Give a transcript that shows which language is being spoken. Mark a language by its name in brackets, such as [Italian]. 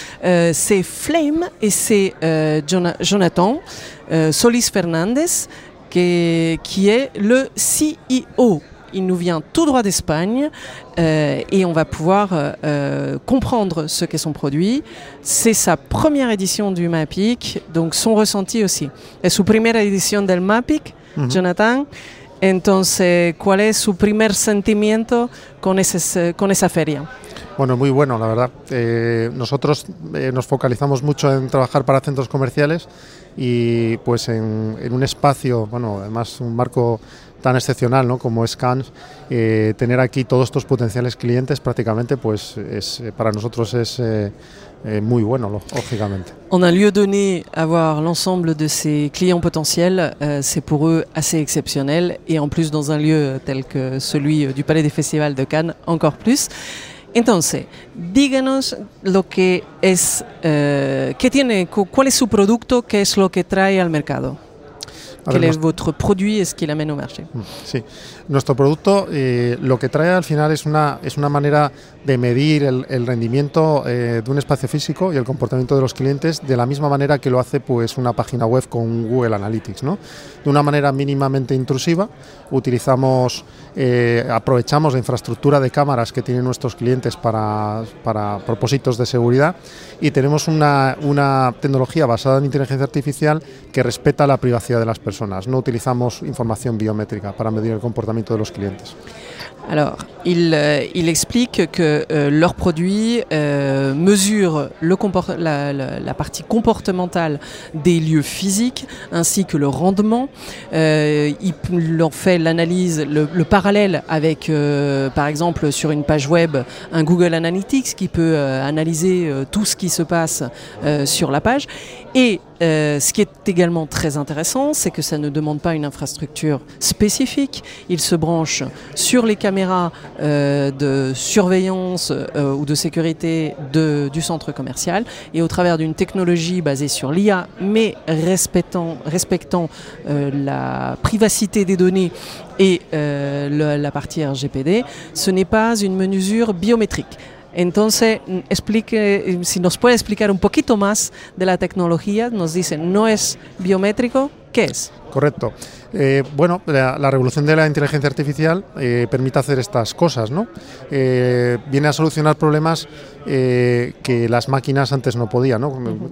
[French] C'est Flame et c'est Jonathan Solis Fernandez qui est le CEO. Il nous vient tout droit d'Espagne et on va pouvoir comprendre ce qu'est son produit. C'est sa première édition du MAPIC, donc son ressenti aussi. [Spanish] Es su primera edición del MAPIC, Jonathan. Entonces, ¿cuál es su primer sentimiento con esa feria? Bueno, muy bueno, la verdad. Nosotros nos focalizamos mucho en trabajar para centros comerciales y pues en un espacio, bueno, además un marco tan excepcional, ¿no? Como es Cannes, tener aquí todos estos potenciales clientes prácticamente, pues es, para nosotros es muy bueno, lógicamente. [French] En un lieu donné, avoir l'ensemble de ces clients potentiels, c'est pour eux assez exceptionnel et en plus dans un lieu tel que celui du Palais des Festivals de Cannes, encore plus. [Spanish] Entonces, díganos lo que es, qué tiene, cuál es su producto, qué es lo que trae al mercado. ¿Qué es vuestro producto? ¿Es que lo amena al mercado? Sí, nuestro producto lo que trae al final es una manera de medir el rendimiento de un espacio físico y el comportamiento de los clientes de la misma manera que lo hace pues, una página web con Google Analytics, ¿no? De una manera mínimamente intrusiva, aprovechamos la infraestructura de cámaras que tienen nuestros clientes para propósitos de seguridad y tenemos una tecnología basada en inteligencia artificial que respeta la privacidad de las personas. No utilizamos información biométrica para medir el comportamiento de los clientes. [French] Alors, il explique que leur produit mesure la partie comportementale des lieux physiques ainsi que le rendement. Il en fait l'analyse, le parallèle avec, par exemple, sur une page web, un Google Analytics qui peut analyser tout ce qui se passe sur la page. Et ce qui est également très intéressant, c'est que ça ne demande pas une infrastructure spécifique. Il se branche sur les caméras de surveillance ou de sécurité du centre commercial et au travers d'une technologie basée sur l'IA, mais respectant la privacité des données et la partie RGPD, ce n'est pas une mesure biométrique. [Spanish] Entonces, si nos puede explicar un poquito más de la tecnología, nos dice, ¿no es biométrico? ¿Qué es? Correcto. Bueno, la revolución de la inteligencia artificial permite hacer estas cosas, ¿no? Viene a solucionar problemas que las máquinas antes no podían, ¿no?